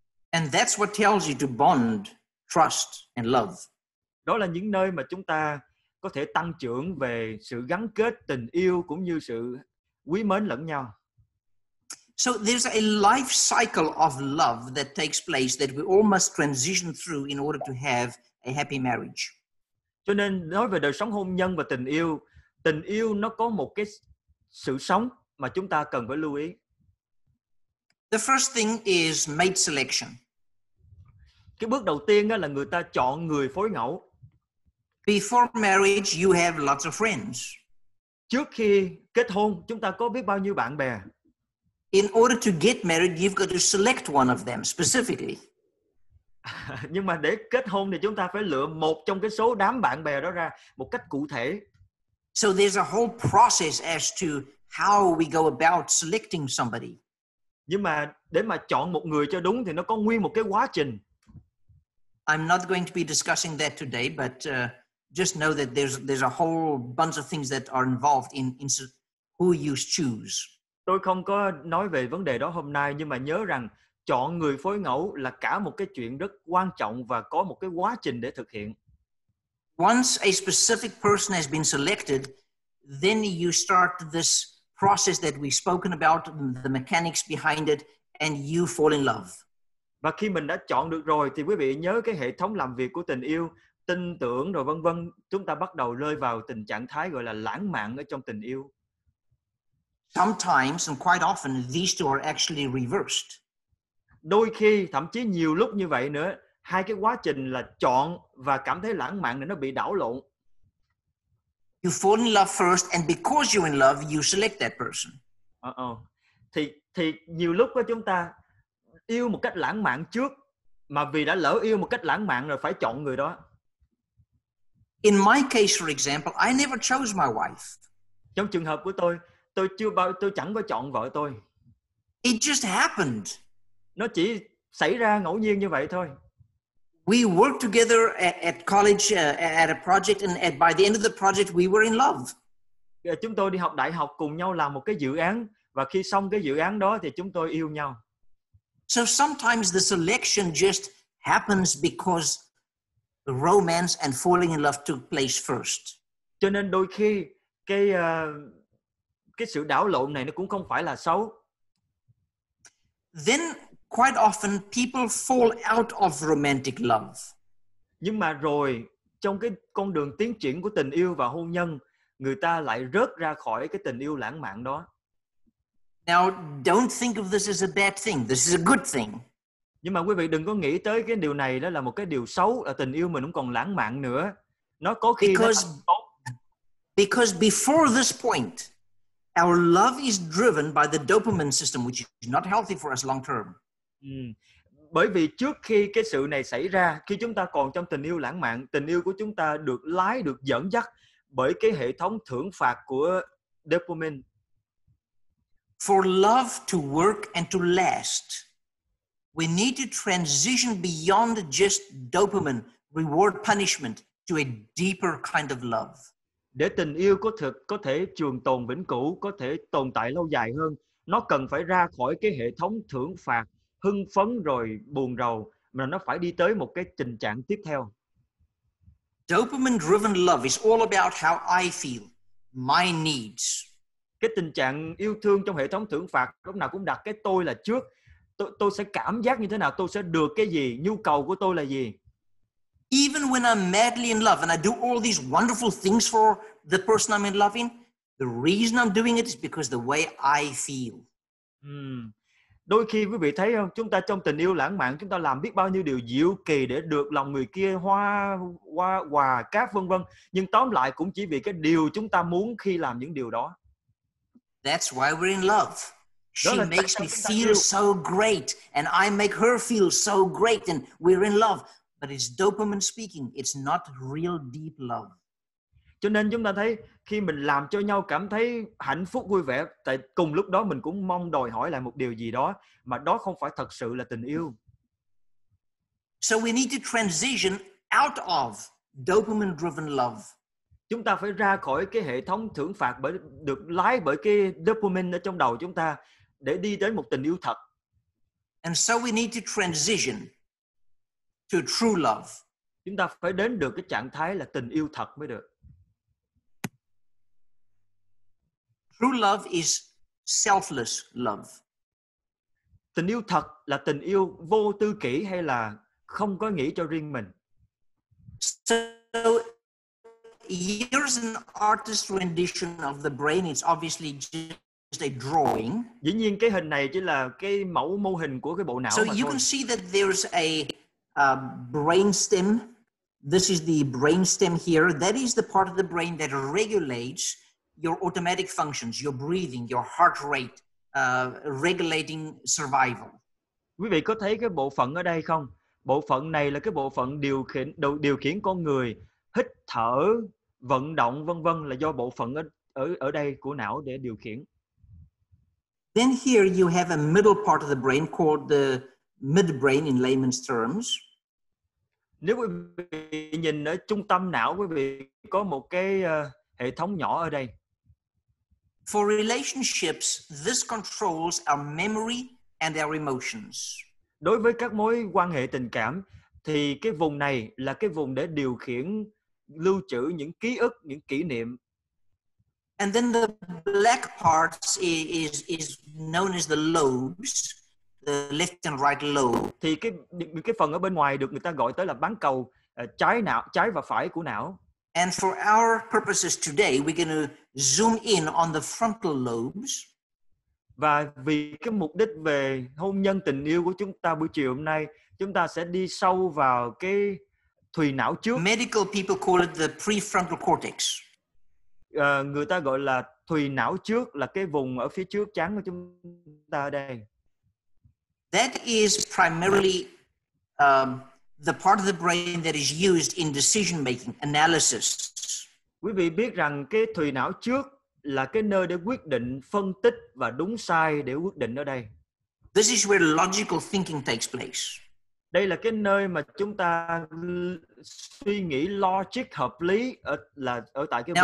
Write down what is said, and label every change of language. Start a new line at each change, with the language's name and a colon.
English: And that's what tells you to bond, trust, and love.
Vietnamese: Đó là những nơi mà chúng ta có thể tăng trưởng về sự gắn kết tình yêu cũng như sự quý mến lẫn nhau.
English: So there's a life cycle of love that takes place that we all must transition through in order to have a happy marriage.
Vietnamese: Cho nên nói về đời sống hôn nhân và tình yêu nó có một cái sự sống mà chúng ta cần phải lưu ý.
English: The first thing is mate selection.
Vietnamese: Cái bước đầu tiên là người ta chọn người phối ngẫu.
English: Before marriage, you have lots of friends.
Vietnamese: Trước khi kết hôn, chúng ta có biết bao nhiêu bạn bè.
English: In order to get married, you've got to select one of them specifically.
Vietnamese: Nhưng mà để kết hôn thì chúng ta phải lựa một trong cái số đám bạn bè đó ra một cách cụ thể.
English: So there's a whole process as to how we go about selecting somebody.
Vietnamese: Nhưng mà để mà chọn một người cho đúng thì nó có nguyên một cái quá trình.
English: I'm not going to be discussing that today, but just know that there's a whole bunch of things that are involved in who you choose.
Vietnamese: Tôi không có nói về vấn đề đó hôm nay, nhưng mà nhớ rằng chọn người phối ngẫu là cả một cái chuyện rất quan trọng và có một cái quá trình để thực hiện.
English: Once a specific person has been selected, then you start this process that we've spoken about, the mechanics behind it, and you fall in love.
Vietnamese: Và khi mình đã chọn được rồi thì quý vị nhớ cái hệ thống làm việc của tình yêu, tin tưởng rồi vân vân, chúng ta bắt đầu rơi vào tình trạng thái gọi là lãng mạn ở trong tình yêu.
English: Sometimes and quite often these two are actually reversed.
Vietnamese: Đôi khi thậm chí nhiều lúc như vậy nữa, hai cái quá trình là chọn và cảm thấy lãng mạn nó bị đảo lộn.
English: You fall in love first and because you're in love you select that person.
Vietnamese: Thì nhiều lúc của chúng ta yêu một cách lãng mạn trước, mà vì đã lỡ yêu một cách lãng mạn rồi phải chọn người đó.
English: In my case, for example, I never chose my wife.
Vietnamese: Trong trường hợp của tôi chẳng có chọn vợ tôi.
English: It just happened.
Vietnamese: Nó chỉ xảy ra ngẫu nhiên như vậy thôi.
English: We worked together at college at a project, and at by the end of the project, we were in love.
Vietnamese: Chúng tôi đi học đại học cùng nhau làm một cái dự án, và khi xong cái dự án đó thì chúng tôi yêu nhau.
English: So sometimes the selection just happens because the romance and falling in love took place first.
Vietnamese: Cho nên đôi khi cái sự đảo lộn này nó cũng không phải là xấu.
English: Then quite often people fall out of romantic love.
Vietnamese: Nhưng mà rồi trong cái con đường tiến triển của tình yêu và hôn nhân, người ta lại rớt ra khỏi cái tình yêu lãng mạn đó.
English: Now don't think of this as a bad thing. This is a good thing.
Vietnamese: Nhưng mà quý vị đừng có nghĩ tới cái điều này đó là một cái điều xấu, là tình yêu mình cũng còn lãng mạn nữa. Nó có khi
English: because,
Vietnamese: nó
English: because before this point our love is driven by the dopamine system which is not healthy for us long term.
Vietnamese: Bởi vì trước khi cái sự này xảy ra, khi chúng ta còn trong tình yêu lãng mạn, tình yêu của chúng ta được lái, được dẫn dắt bởi cái hệ thống thưởng phạt của dopamine.
English: For love to work and to last, we need to transition beyond just dopamine, reward, punishment, to a deeper kind of love.
Vietnamese: Để tình yêu có thực, có thể trường tồn vĩnh cửu, có thể tồn tại lâu dài hơn, nó cần phải ra khỏi cái hệ thống thưởng phạt, hưng phấn rồi buồn rầu, mà nó phải đi tới một cái tình trạng tiếp theo.
English: Dopamine-driven love is all about how I feel, my needs.
Vietnamese: Cái tình trạng yêu thương trong hệ thống thưởng phạt lúc nào cũng đặt cái tôi là trước. Tôi sẽ cảm giác như thế nào, tôi sẽ được cái gì, nhu cầu của tôi là gì.
English: Even when I'm madly in love and I do all these wonderful things for the person I'm in love in, the reason I'm doing it is because the way I feel.
Vietnamese: Đôi khi quý vị thấy không, chúng ta trong tình yêu lãng mạn, chúng ta làm biết bao nhiêu điều diệu kỳ để được lòng người kia, hoa quà cáp vân vân, nhưng tóm lại cũng chỉ vì cái điều chúng ta muốn khi làm những điều đó.
English: That's why we're in love. She makes me feel so great and I make her feel so great and we're in love. But it's dopamine speaking. It's not real deep love.
Vietnamese: Cho nên chúng ta thấy khi mình làm cho nhau cảm thấy hạnh phúc vui vẻ, tại cùng lúc đó mình cũng mong đòi hỏi lại một điều gì đó, mà đó không phải thật sự là tình yêu.
English: So we need to transition out of dopamine-driven love.
Vietnamese: Chúng ta phải ra khỏi cái hệ thống thưởng phạt bởi được lái bởi cái dopamine ở trong đầu chúng ta để đi đến một tình yêu thật.
English: And so we need to transition to true love.
Vietnamese: Chúng ta phải đến được cái trạng thái là tình yêu thật mới được.
English: True love is selfless love.
Vietnamese: Tình yêu thật là tình yêu vô tư kỷ hay là không có nghĩ cho riêng mình.
English: So, here's an artist's rendition of the brain. It's obviously just a drawing.
Vietnamese: Dĩ nhiên cái hình này chỉ là cái mẫu mô hình của cái bộ não.
English: So you can see that there's a brainstem. This is the brainstem here. That is the part of the brain that regulates your automatic functions, your breathing, your heart rate, regulating survival.
Vietnamese: Quý vị có thấy cái bộ phận ở đây không? Bộ phận này là cái bộ phận điều khiển con người, hít thở, vận động vân vân, là do bộ phận ở đây của não để điều khiển.
English: Then here you have a middle part of the brain called the midbrain in layman's terms.
Vietnamese: Nếu quý vị nhìn ở trung tâm não, quý vị có một cái hệ thống nhỏ ở đây.
English: For relationships, this controls our memory and our emotions.
Vietnamese: Đối với các mối quan hệ tình cảm thì cái vùng này là cái vùng để điều khiển, lưu trữ những ký ức, những kỷ niệm.
English: And then the black part is known as the lobes, the left and right lobe.
Vietnamese: Thì cái phần ở bên ngoài được người ta gọi tới là bán cầu trái não, trái và phải của não.
English: And for our purposes today, we're going to zoom in on the frontal lobes.
Vietnamese: Và vì cái mục đích về hôn nhân tình yêu của chúng ta buổi chiều hôm nay, chúng ta sẽ đi sâu vào cái thùy não trước.
English: Medical people call it the prefrontal cortex.
Vietnamese: Người ta gọi là thùy não trước, là cái vùng ở phía trước trán của chúng ta ở đây.
English: That is primarily the part of the brain that is used in decision making, analysis.
Vietnamese: Quý vị biết rằng cái thùy não trước là cái nơi để quyết định, phân tích và đúng sai để quyết định ở đây.
English: This is where logical thinking takes place.
Vietnamese: Đây là cái nơi mà chúng ta suy nghĩ logic hợp lý ở tại cái